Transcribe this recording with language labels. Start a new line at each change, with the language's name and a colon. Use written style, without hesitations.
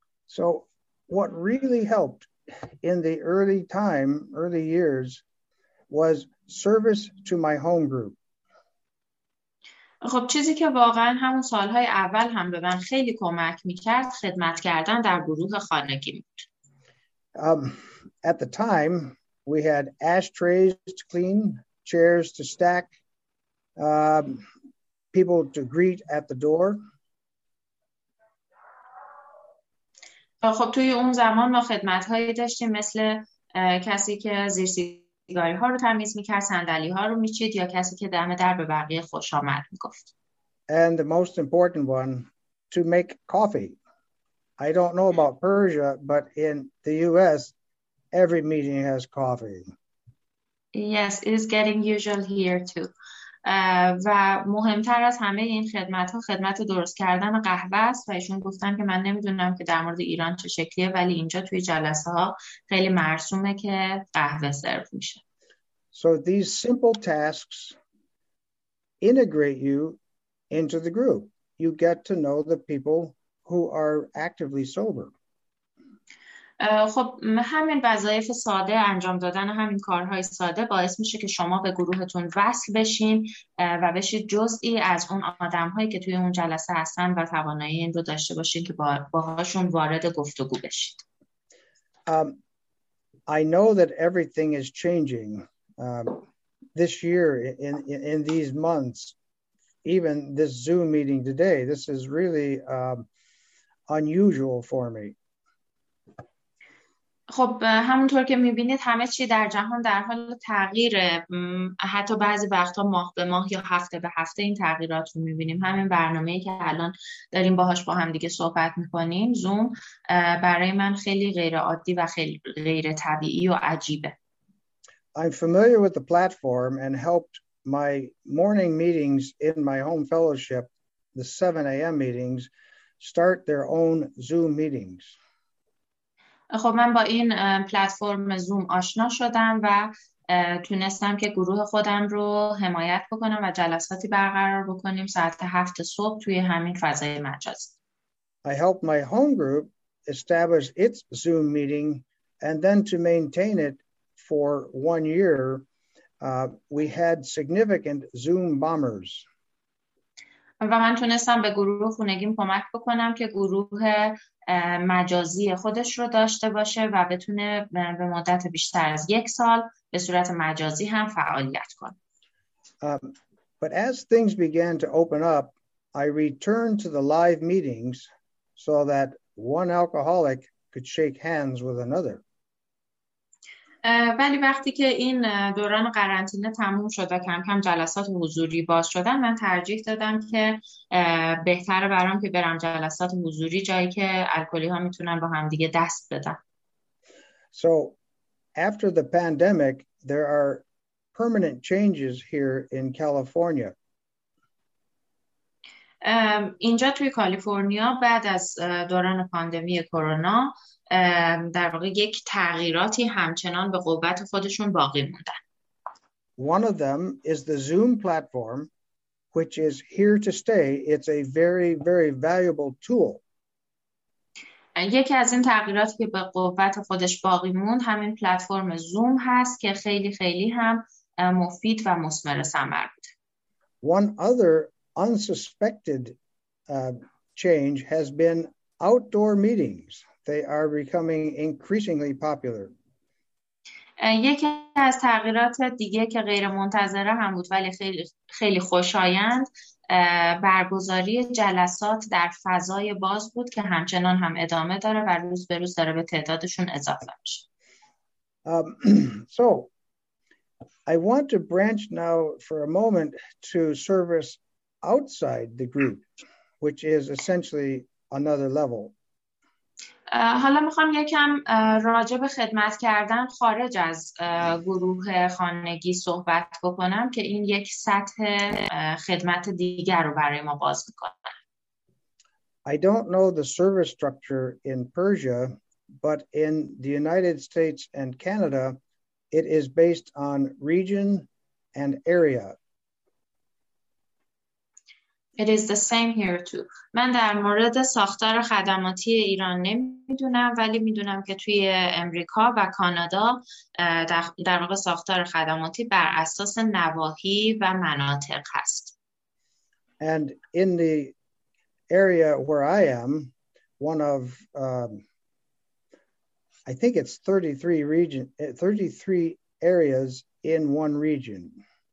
English: So what really helped in the early years was service to my home group.
Persian: خب چیزی که واقعا همون سالهای اول هم به من خیلی کمک می‌کرد خدمت کردن در گروه خانگی بود.
English: At the time we had ashtrays to clean, chairs to stack, people to greet at the door.
Persian: خب توی اون زمان ما خدمت هایی داشتیم مثل کسی که زیر سیگاری ها رو تمیز می کرد، صندلی ها رو می چید یا کسی که دم در به بقیه خوش آمد می گفت.
English: And the most important one, to make coffee. I don't know about Persia, but in the US, every meeting has coffee. Yes, it is getting usual here too.
Persian: و مهمتر از همه این خدمت ها خدمت درست کردن قهوه است و ایشون گفتن که من نمیدونم که در مورد ایران چه شکلیه ولی اینجا توی جلسه ها خیلی مرسومه که قهوه سرو میشه.
English: So these simple tasks integrate you into the group. You get to know the people who are actively sober.
Persian: خب همین وظایف ساده انجام دادن همین کارهای ساده باعث میشه که شما به گروهتون وصل بشین و بشید جزئی از اون آدمهایی که توی اون جلسه هستن و توانایی این رو داشته باشین که باهاشون وارد گفتگو بشید.
English: I know that everything is changing this year in these months, even this Zoom meeting today. This is really unusual for me.
Persian: خب همونطور که میبینید همه چی در جهان در حال تغییره. حتی بعضی وقتا ماه به ماه یا هفته به هفته این تغییرات رو میبینیم. همین برنامه‌ای که الان داریم باهاش با هم دیگه صحبت میکنیم زوم برای من خیلی غیر عادی و خیلی غیر طبیعی و عجیبه.
English: I'm familiar with the platform and helped my morning meetings in my home fellowship, the 7 a.m. meetings, start their own Zoom meetings.
Persian: خب من با این پلتفرم زوم آشنا شدم و تونستم که گروه خودم رو حمایت بکنم و جلساتی برقرار بکنیم ساعت 7 صبح توی همین فضای مجازی.
English: I helped my home group establish its Zoom meeting and then to maintain it for 1 year, we had significant Zoom bombers.
Persian: و من تونستم به گروه خونگیم کمک بکنم که گروه مجازی خودش رو داشته باشه و بتونه به مدت بیشتر از یک سال به صورت مجازی هم فعالیت کنه.
English: But as things began to open up, I returned to the live meetings so that one alcoholic could shake hands with another.
Persian: ولی وقتی که این دوران قرنطینه تموم شد و کم کم جلسات حضوری باز شدن من ترجیح دادم که بهتره برام که برم جلسات حضوری جایی که الکلی ها میتونن با هم دیگه دست بدن.
English: So after the pandemic there are permanent changes here in California.
Persian: اینجا توی کالیفرنیا بعد از دوران پاندمی کرونا در واقع یک تغییراتی همچنان به قوت خودشون باقی موندن.
English: One of them is the Zoom platform, which is here to stay. It's a very, very valuable tool.
Persian: یکی از این تغییرات که به قوت خودش باقی موند همین پلتفرم زوم هست که خیلی خیلی هم مفید و مثمر ثمر بود.
English: One other unsuspected change has been outdoor meetings. They are becoming increasingly popular.
Persian: یکی از تغییرات دیگه که غیر منتظره هم بود ولی خیلی خیلی خوشایند برگزاری جلسات در فضای باز بود که همچنان هم ادامه داره و روز به روز داره به تعدادشون اضافه میشه.
English: So I want to branch now for a moment to service outside the group, which is essentially another level.
Persian: حالا میخوام یکم راجع به خدمت کردن خارج از گروه خانگی صحبت بکنم که این یک سطح خدمت دیگر رو برای ما باز میکنه.
English: I don't know the service structure in Persia, but in the United States and Canada, it is based on region and area. It is the same here too.
Persian: من در مورد ساختار خدماتی ایران نمیدونم ولی میدونم که توی امریکا و کانادا در واقع ساختار خدماتی بر اساس نواحی و مناطق هست.
English: And in the area where I am, one of I think it's 33 areas in one region.